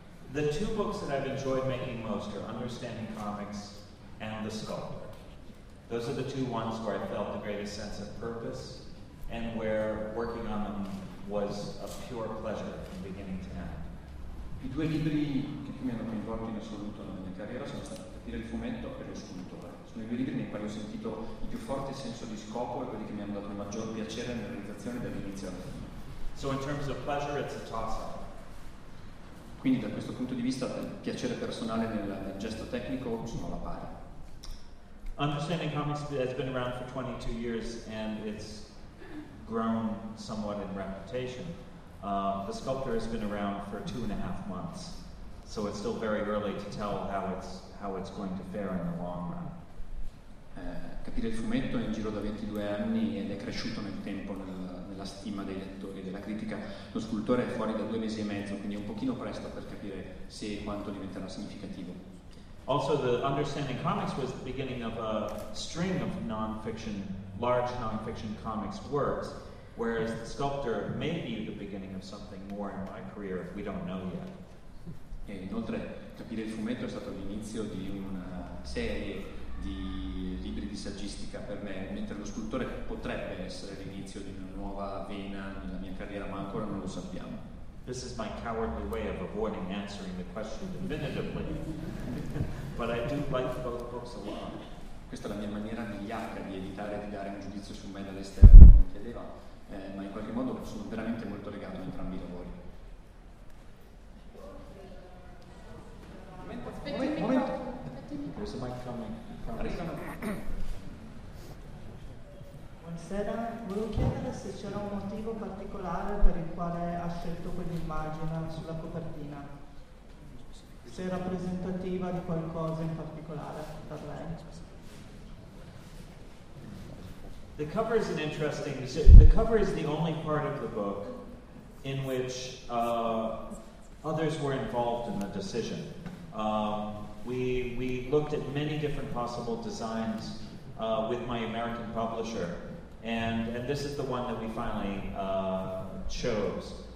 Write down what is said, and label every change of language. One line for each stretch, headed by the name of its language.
English: The two books that I've enjoyed making most are Understanding Comics and The Sculptor. Those are the two ones where I felt the greatest sense of purpose and where working on them was a pure pleasure from beginning to end.
Italian: I due libri che più mi hanno coinvolto in assoluto nella mia carriera sono stati Il Fumetto e Lo Scultore. Sono i due libri nei quali ho sentito il più forte senso di scopo e quelli che mi hanno dato il maggior piacere nella realizzazione dall'inizio alla fine.
English: So in terms of pleasure, it's a toss-up.
Italian: Quindi da questo punto di vista il piacere personale nel gesto tecnico sono alla pari.
English: Understanding Comics has been around for 22 years and it's grown somewhat in reputation. The Sculptor has been around for 2.5 months, so it's still very early to tell how it's going to fare in the long run.
Italian: Capire il fumetto è in giro da 22 anni ed è cresciuto nel tempo nella stima dei lettori e della critica. Lo Scultore è fuori da 2 mesi e mezzo, quindi è un pochino presto per capire se e quanto diventerà significativo.
English: Also, the Understanding Comics was the beginning of a string of non-fiction, large non-fiction comics works, whereas The Sculptor may be the beginning of something more in my career if we don't know yet.
Italian: E inoltre, capire il fumetto è stato l'inizio di una serie di libri di saggistica per me, mentre lo scultore potrebbe essere l'inizio di una nuova vena nella mia carriera, ma ancora non lo sappiamo.
English: This is my cowardly way of avoiding answering the question definitively. But I do like both books a lot.
Italian: Questa è la mia maniera migliacca di evitare di dare un giudizio su me dall'esterno, come mi chiedeva, ma in qualche modo sono veramente molto legato a entrambi i lavori. Buonasera, volevo chiedere se c'era un motivo particolare per il quale ha scelto quell'immagine sulla copertina, se è rappresentativa di qualcosa in particolare per lei.
English: The cover is an interesting. The cover is the only part of the book in which others were involved in the decision. We looked at many different possible designs with my American publisher, and this is the one that we finally chose.